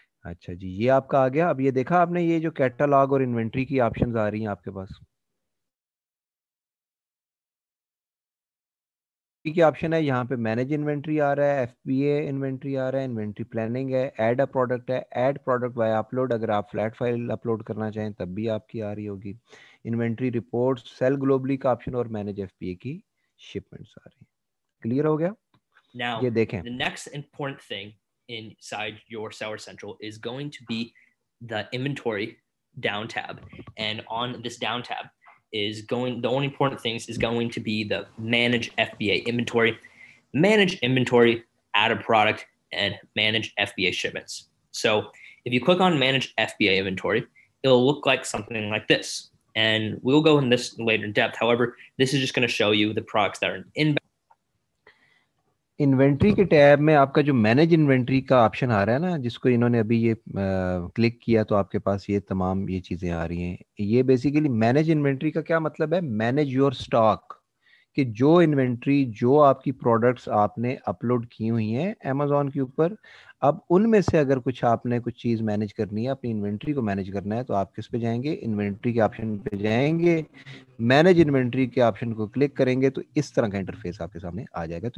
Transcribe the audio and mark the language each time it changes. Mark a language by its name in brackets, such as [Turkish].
[Hindi] अच्छा जी, ये आपका आ गया। अब ये देखा आपने, ये जो कैटलॉग और इन्वेंट्री की ऑप्शंस आ रही हैं आपके पास, की ऑप्शन है यहाँ पे मैनेज इन्वेंट्री आ रहा है, एफपीए इन्वेंट्री आ रहा है, इन्वेंट्री प्लानिंग है, ऐड अ प्रोडक्ट है, ऐड प्रोडक्ट बाय अपलोड, अगर आप फ्लैट फाइल अपलोड करना चाहें तब भी आपकी आ रही होगी, इन्वेंट्री रिपोर्ट, सेल ग्लोबली का ऑप्शन और मैनेज एफपीए की शिपमेंट्स आ रही है। क्लियर हो गया? [English] Now, [Hindi] ये देखें, [English] the next important thing inside your Seller Central is going to be the inventory down tab, and on this down tab is going the only important things is going to be the manage FBA inventory, manage inventory, add a product, and manage FBA shipments. So if you click on manage FBA inventory, it'll look like something like this, and we'll go in this later in depth. However, this is just going to show you the products that are in [Hindi] inventory के tab में। आपका जो manage inventory का option आ रहा है ना, जिसको इन्होंने अभी ये क्लिक किया, तो आपके पास ये तमाम ये चीजें आ रही हैं। ये बेसिकली मैनेज इन्वेंट्री का क्या मतलब है, [English] manage your stock, [Hindi] कि जो इन्वेंट्री, जो आपकी प्रोडक्ट्स आपने अपलोड की हुई हैं अमेजोन के ऊपर, अब उनमें से अगर कुछ आपने कुछ चीज मैनेज करनी है, अपनी इन्वेंट्री को मैनेज करना है, तो आप किस पे जाएंगे, इन्वेंट्री के ऑप्शन पे जाएंगे, मैनेज इन्वेंट्री के ऑप्शन को क्लिक करेंगे तो इस तरह का इंटरफेस आपके सामने आ जाएगा।